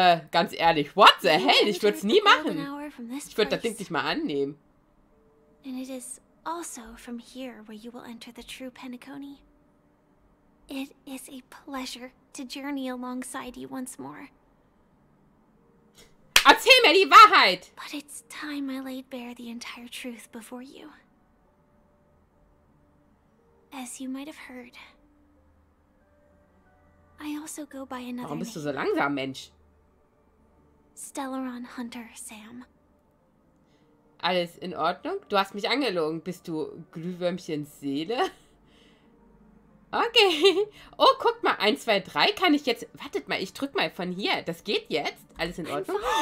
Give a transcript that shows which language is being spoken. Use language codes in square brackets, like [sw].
[de] Ganz ehrlich, [en] what the hell? [de] Ich würde es nie machen. Ich würde das Ding nicht mal annehmen. [en] And it is also from here where you will enter the true Penacony. It is a pleasure to journey alongside you once more. [de] Erzähl mir die Wahrheit! [en] But it's time I laid bare the entire truth before you. As you might have heard, I also go by another name. [de] Warum bist du so langsam, Mensch? [en] Stellaron Hunter, Sam. [de] Alles in Ordnung? Du hast mich angelogen. Bist du Glühwürmchens Seele? Okay. Oh, guck mal. 1, 2, 3 kann ich jetzt... Wartet mal, ich drück mal von hier. Das geht jetzt. Alles in Ordnung?